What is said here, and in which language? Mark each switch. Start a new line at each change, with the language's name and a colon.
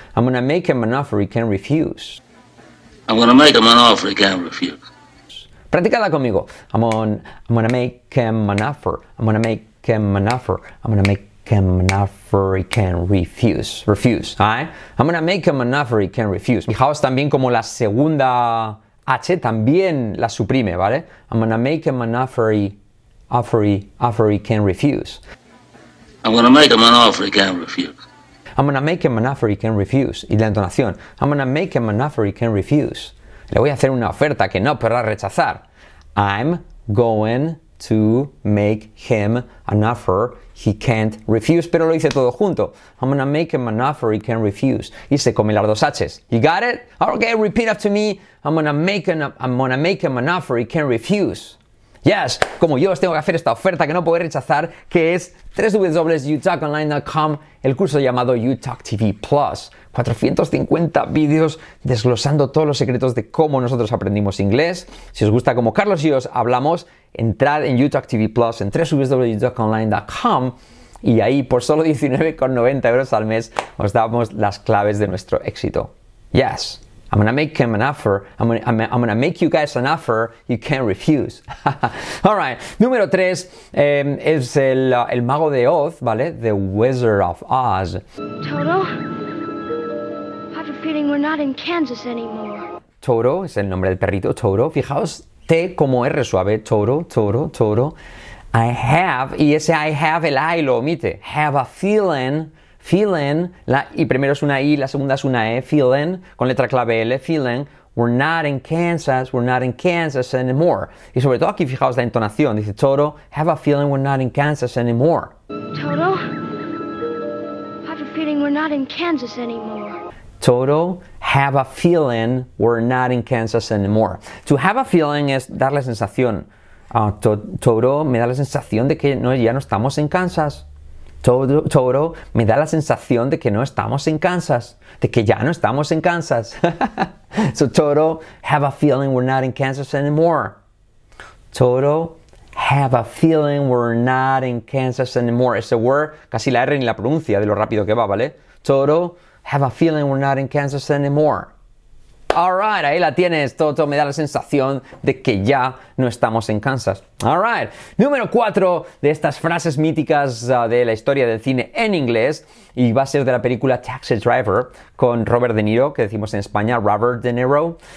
English: I'm gonna make him an offer, he can't refuse. I'm gonna make him an offer, he can't refuse.
Spanish: Practicadla conmigo.
English: I'm gonna make him an offer, I'm gonna make him an offer, I'm gonna make him an offer, he can't refuse. Refuse, ¿eh? I'm gonna make him an offer, he can't refuse.
Spanish: Fijaos también como la segunda H también la suprime, ¿vale?
English: I'm gonna make him an offer, he can't refuse. I'm gonna make him an offer he can't refuse. I'm gonna make him an offer he can't refuse.
Spanish: Y la entonación.
English: I'm gonna make him an offer he can't refuse.
Spanish: Le voy a hacer una oferta que no podrá rechazar.
English: I'm going to make him an offer he can't refuse.
Spanish: Pero lo hice todo junto.
English: I'm gonna make him an offer he can't refuse.
Spanish: Y se come las dos H's.
English: You got it? Okay, repeat after me. I'm gonna make him an offer he can't refuse.
Spanish: Yes, como yo os tengo que hacer esta oferta que no podéis rechazar, que es www.utalkonline.com, el curso llamado UTalk TV Plus. 450 vídeos desglosando todos los secretos de cómo nosotros aprendimos inglés. Si os gusta cómo Carlos y yo os hablamos, entrad en UTalk TV Plus en www.utalkonline.com y ahí por solo 19,90 € al mes os damos las claves de nuestro éxito. Yes,
English: I'm gonna make him an offer. I'm gonna make you guys an offer you can't refuse. All right.
Spanish: Número 3 es el mago de Oz, ¿vale?
English: The Wizard of Oz. Toto, I have a feeling we're not in Kansas anymore.
Spanish: Toto es el nombre del perrito. Toto, fijaos, T como R suave. Toto, Toto, Toto.
English: I have,
Spanish: y ese I have, el I lo omite.
English: Have a feeling.
Spanish: Feeling, y primero es una I, la segunda es una E, feeling, con letra clave L, feeling,
English: we're not in Kansas anymore.
Spanish: Y sobre todo aquí fijaos la entonación, dice
English: Toto, have a feeling we're not in Kansas anymore. Toto, have a feeling we're not in Kansas anymore. Toto, have a feeling we're not in Kansas anymore. To have a feeling
Spanish: es dar la sensación. Toto, me da la sensación de que no, ya no estamos en Kansas. Toto, me da la sensación de que no estamos en Kansas. De que ya no estamos en Kansas.
English: So, Toto, have a feeling we're not in Kansas anymore. Toto, have a feeling we're not in Kansas anymore.
Spanish: Ese word, casi la R ni la pronuncia de lo rápido que va, ¿vale?
English: Toto, have a feeling we're not in Kansas anymore. All right,
Spanish: ahí la tienes, Toto. Me da la sensación de que ya no estamos en Kansas.
English: All right.
Spanish: Número 4 de estas frases míticas de la historia del cine en inglés y va a ser de la película Taxi Driver con Robert De Niro, que decimos en España Robert De Niro.